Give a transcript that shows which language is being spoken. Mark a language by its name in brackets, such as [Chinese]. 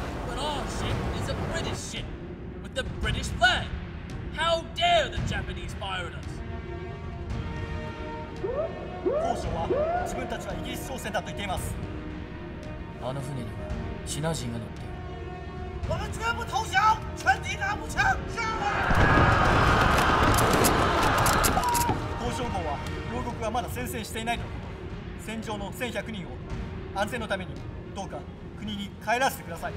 [English] But our ship is a British ship with the British flag. How dare the Japanese fire at us? [Japanese] 交渉は自分たちはイギリス商船だと言っています。あの船にはシナ人が乗っている。 [Chinese] 我们全部投降，全体拿步枪。上啊！ [Japanese] 交渉後は両国はまだ宣戦していないと。戦場の1100人を安全のためにどうか国に帰らせてください。